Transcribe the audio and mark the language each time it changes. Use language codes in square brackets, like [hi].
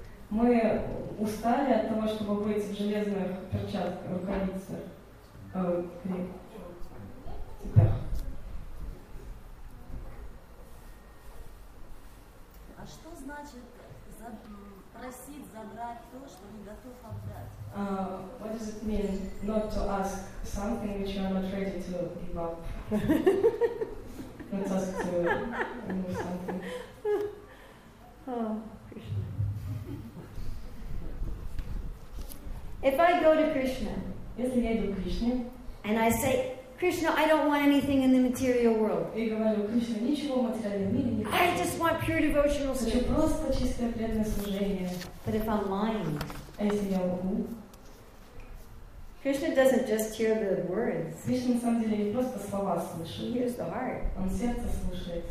[ru] Мы устали от того, чтобы быть в железных перчатках, рукавицах, цепях. А что значит просить забрать то, что не готов отдать? [en] What does it mean not to ask something which you are not ready to give up? Not ask to remove something. If I go to Krishna, [ru] если я иду к Кришне, [en] and I say, Krishna, I don't want anything in the material world. [ru] Я говорю, Кришна, ничего в материальном мире не хочу. [en] I just want pure devotional service. [ru] Хочу просто чистое преданное служение. [en] But if I'm lying, [ru] если я лгу, [en] Krishna doesn't just hear the words. [ru] Кришна на самом деле не просто слова слышит. [en] He hears the heart. [ru] Он сердце слушает.